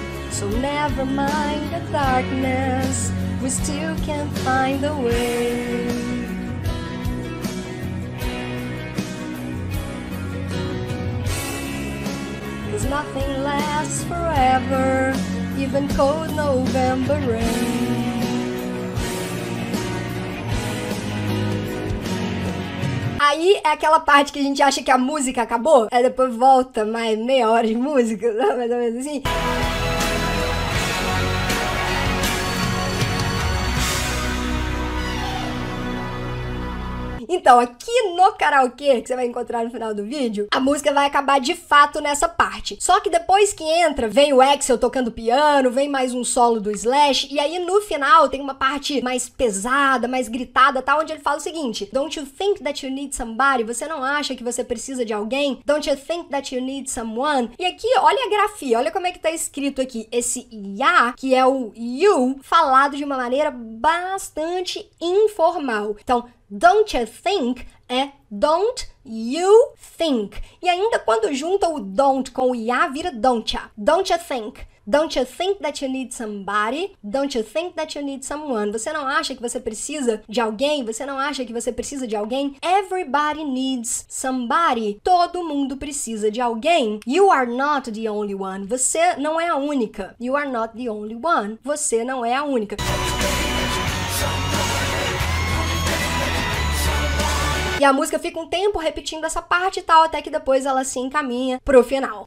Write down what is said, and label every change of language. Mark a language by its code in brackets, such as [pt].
[en] So never mind the darkness, we still can find a way. Cause nothing lasts forever, even cold November rain. [pt] Aí é aquela parte que a gente acha que a música acabou, aí depois volta mais meia hora de música, mais ou menos assim. Então, aqui no karaokê, que você vai encontrar no final do vídeo, a música vai acabar de fato nessa parte. Só que depois que entra, vem o Axel tocando piano, vem mais um solo do Slash, e aí no final tem uma parte mais pesada, mais gritada, tá? Onde ele fala o seguinte: [en] Don't you think that you need somebody? [pt] Você não acha que você precisa de alguém? [en] Don't you think that you need someone? [pt] E aqui, olha a grafia, olha como é que tá escrito aqui. Esse ya, que é o you, falado de uma maneira bastante informal. [en] Então, don't you think é don't you think. [pt] E ainda quando junta o don't com o ya, vira don't ya. [en] Don't you think? Don't you think that you need somebody? Don't you think that you need someone? [pt] Você não acha que você precisa de alguém? Você não acha que você precisa de alguém? [en] Everybody needs somebody. [pt] Todo mundo precisa de alguém. [en] You are not the only one. [pt] Você não é a única. [en] You are not the only one. [pt] Você não é a única. E a música fica um tempo repetindo essa parte e tal, até que depois ela se encaminha pro final.